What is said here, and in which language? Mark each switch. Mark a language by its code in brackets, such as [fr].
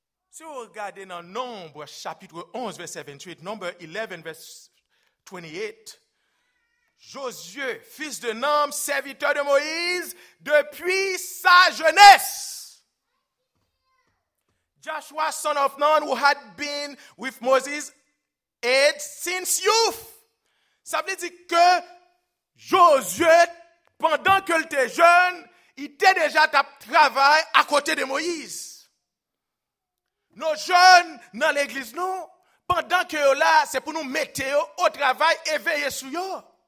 [fr] Si vous regardez dans Nombre, chapitre 11, verset 28, Nombre 11, verset 28, Josué, fils de Nun, serviteur de Moïse depuis sa jeunesse. [en] Joshua, son of Nun, who had been with Moses age since youth. [fr] Ça veut dire que Josué, pendant qu'il était jeune, il était déjà à travail à côté de Moïse. Nos jeunes dans l'église, non, pendant que là, c'est pour nous mettre au travail et veiller sur eux.